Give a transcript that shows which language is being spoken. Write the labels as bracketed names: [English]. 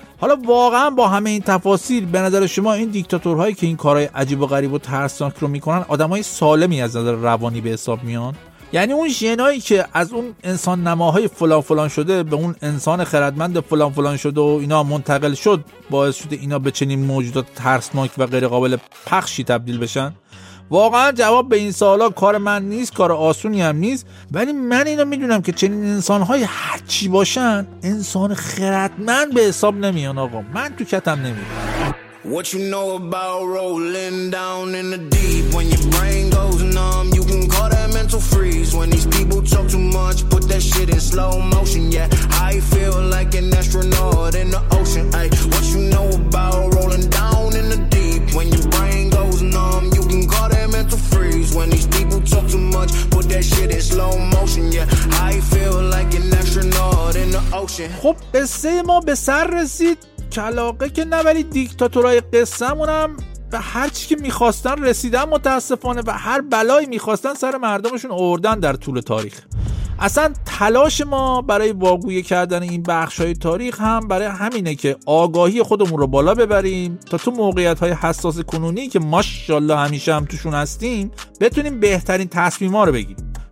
[Persian] حالا واقعا با همه این تفاصیل به نظر شما این دیکتاتورهایی که این کارهای عجیب و غریب و ترسناک رو میکنن آدمای سالمی از نظر روانی به حساب میان؟ یعنی اون ژنایی که از اون انسان نماهای فلان فلان شده به اون انسان خردمند فلان فلان شده و اینا منتقل شد، باعث شده اینا به چنین موجودات ترسناک و غیر قابل پخشی تبدیل بشن؟ واقعا جواب به این سوالا کار من نیست، کار آسونی هم نیست، ولی من اینو میدونم که چنین انسانهای هرچی باشن انسان خردمند به حساب نمیان. آقا من تو کتم نمیام. [English] What you know about rolling down in the deep? When your brain goes numb, you can call that mental freeze. When these people talk too much, put that shit in slow motion. Yeah, I feel like an astronaut in the ocean. Ay, what you know about rolling down in the deep? When your brain goes numb, you can call that mental freeze. When these people talk too much, put that shit in slow motion. Yeah, I feel like an astronaut in the ocean. [Persian] خب به سه ما به سر رسید. کلاقه که نه، ولی دیکتاتورای قصه‌مون هم به هر چی که می‌خواستن رسیدن متأسفانه، و هر بلایی می‌خواستن سر مردمشون آوردن در طول تاریخ. اصلا تلاش ما برای واگوی کردن این بخش‌های تاریخ هم برای همینه که آگاهی خودمون رو بالا ببریم تا تو موقعیت‌های حساس کنونی که ماشاءالله همیشه هم توشون هستیم بتونیم بهترین تصمیم‌ها رو بگیریم.